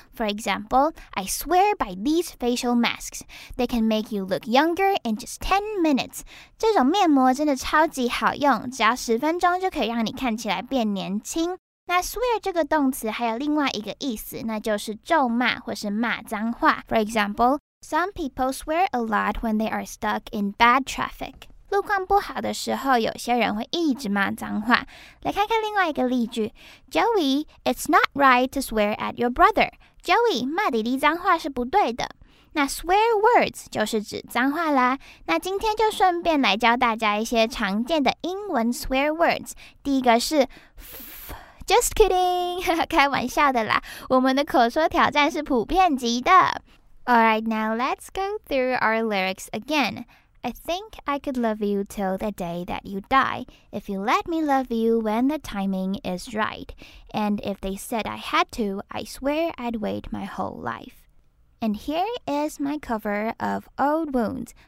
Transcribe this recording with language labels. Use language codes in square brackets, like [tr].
[en] For example, I swear by these facial masks. They can make you look younger in just 10 minutes. [zh] 这种面膜真的超级好用，只要10分钟就可以让你看起来变年轻。那 swear 这个动词还有另外一个意思，那就是咒骂或是骂脏话。 [en] For example,Some people swear a lot when they are stuck in bad traffic. [zh] 路况不好的时候，有些人会一直骂脏话。来看看另外一个例句。 [en] Joey, it's not right to swear at your brother. [zh] Joey, 骂弟弟脏话是不对的。那 swear words 就是指脏话啦。那今天就顺便来教大家一些常见的英文 swear words。第一个是 [en] Just kidding! [zh] 开玩笑的啦。我们的口说挑战是普遍级的。 [en] Alright, now let's go through our lyrics again. I think I could love you till the day that you die, if you let me love you when the timing is right. And if they said I had to, I swear I'd wait my whole life. And here is my cover of Old Wounds.